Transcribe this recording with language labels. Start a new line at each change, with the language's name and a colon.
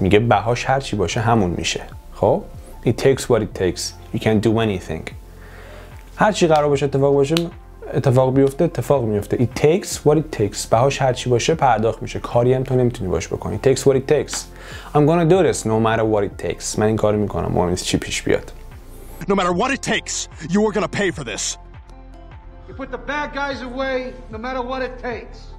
Persian: میگه بهاش هر چی باشه همون میشه.
English: خب it takes what it takes. You can do anything.
Persian: هر چی قرار باشه اتفاق باشه، اتفاق بیفته، اتفاق میفته.
English: It takes what it takes.
Persian: بهاش هر چی باشه پرداخت میشه. کاری هم تو نمیتونی باش بکنی.
English: It takes what it takes. I'm gonna do this no matter what it takes.
Persian: من این کارو میکنم مهم نیست چی پیش بیاد.
English: No matter what it takes, you are gonna pay for this. You put the bad guys away no matter what it takes.